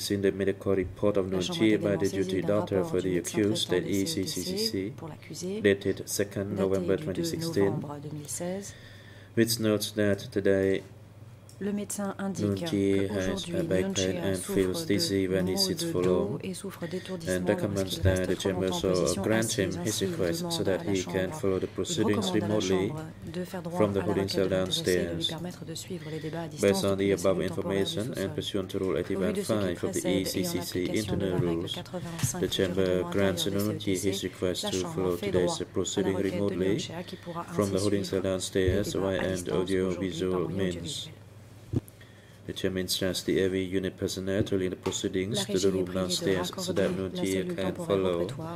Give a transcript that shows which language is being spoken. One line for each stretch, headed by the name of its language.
English: seen the medical report of Nunchia by the duty doctor for the accused, the ECCCC, dated 2 November 2016, which notes that today
French: le médecin indique qu'aujourd'hui, Nunchia souffre de maux de dos long, et souffre d'étourdissement lorsqu'il reste trop longtemps en position assis. Il demande à la Chambre, recommande à la Chambre de faire droit à la requête de Nunchia et de lui permettre de suivre les débats à distance
English: based on the above information and pursuant to Rule 85 of the ECCC internal rules, the Chamber grants Nunchia his request to follow today's proceedings remotely from the holding cell downstairs via and audiovisual means. The chairman instructs the AV unit personnel to lead the proceedings to the room downstairs so that Nunchia can follow.